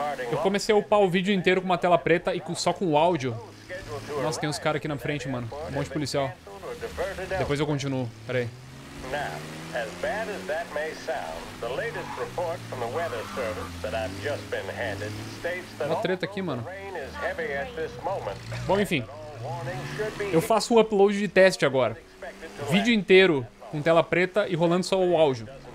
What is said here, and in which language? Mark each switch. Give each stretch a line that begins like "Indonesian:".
Portuguese: Eu comecei a upar o vídeo inteiro com uma tela preta e só com o áudio. Nossa, tem uns caras aqui na frente, mano. Um monte de policial. Depois eu continuo, peraí.
English: Now, as bad as that may sound, the latest report from the weather service that I've just been handed states that all the rain is heavy at this moment.
Portuguese: Bom, enfim. Eu faço um upload de teste agora. Vídeo inteiro com tela preta e rolando só o áudio.